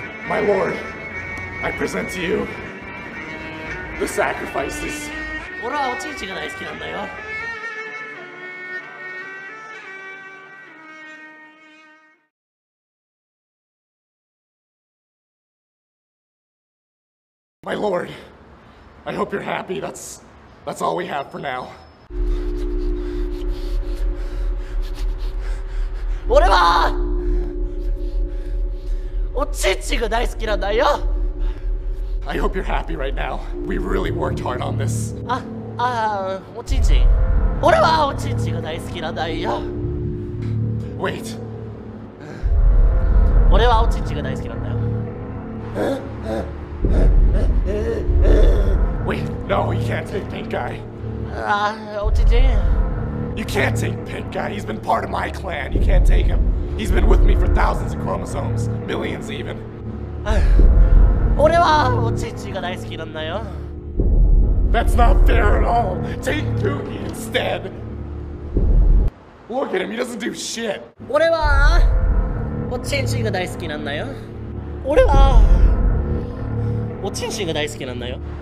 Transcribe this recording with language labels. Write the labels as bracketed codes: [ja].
[en] My lord, I present to you the sacrifices. [ja] 俺はおちんちんが大好きなんだよ。 [en] My lord, I hope you're happy. That's all we have for now. [ja] 俺はおちんちんが大好きなんだよ。 [en] I hope you're happy right now. We really worked hard on this. [ja] おちんちん。俺はおちんちんが大好きなんだよ。 [en] Wait. [ja] 俺はおちんちんが大好きなんだよ。 [en] Wait, no, you can't take Pink Guy. Ochijin. You can't take Pink Guy. He's been part of my clan. You can't take him. He's been with me for thousands of chromosomes, millions even. [ja] 俺はおちんちんが大好きなんだよ。 [en] That's not fair at all. Take Doogie instead. Look at him, he doesn't do shit. [ja] 俺はおちんちんが大好きなんだよ。俺はおちんちんが大好きなんだよ。